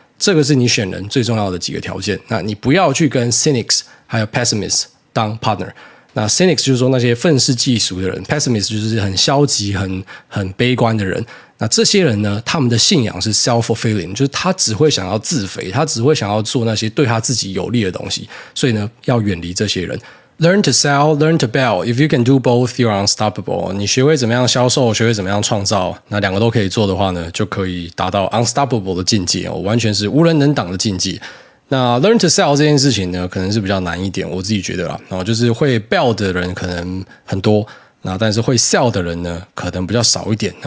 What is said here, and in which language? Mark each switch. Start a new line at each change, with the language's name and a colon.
Chinese: 这个是你选人最重要的几个条件。那你不要去跟 cynics 还有 pessimists 当 partner。那 cynics 就是说那些愤世嫉俗的人， pessimists 就是很消极、很悲观的人。那这些人呢，他们的信仰是 self-fulfilling， 就是他只会想要自肥，他只会想要做那些对他自己有利的东西。所以呢，要远离这些人。
English: Learn to sell, learn to build. If you can do both, you're unstoppable.
Chinese: 你学会怎么样销售，学会怎么样创造，那两个都可以做的话呢，就可以达到 unstoppable 的境界，完全是无人能挡的境界。那
English: learn to sell
Chinese: 这件事情呢，可能是比较难一点，我自己觉得啦。就是会 build 的人可能很多，那但是会 sell 的人呢，可能比较少一点。